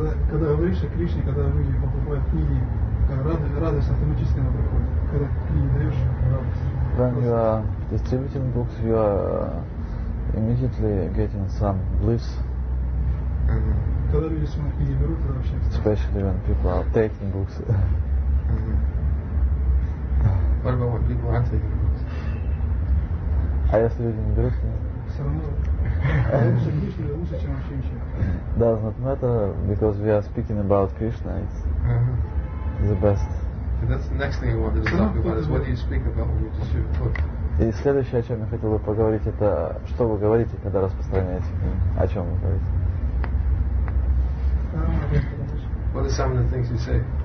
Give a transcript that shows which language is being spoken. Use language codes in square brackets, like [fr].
[ru] Когда говоришь о Кришне, когда люди покупают книги, радость автоматически она приходит. Когда книги даешь, радость. [en] When you are distributing books, you are immediately getting some bliss. [ru] Когда люди с моих книги берут, это вообще... [en] Especially when people are taking books. What about when people aren't taking books? [ru] А если люди не берут, нет? Все равно. Лучше Кришна, лучше, чем вообще ничего. [en] Does not matter, because we are speaking about Krishna, it's the best. That's the next thing I wanted to talk about, is what do you speak about when you distribute books? [ru] И следующее, о чем я хотел бы поговорить, это что вы говорите, когда распространяете книги? О чем вы говорите? [en] What are some of the things you say?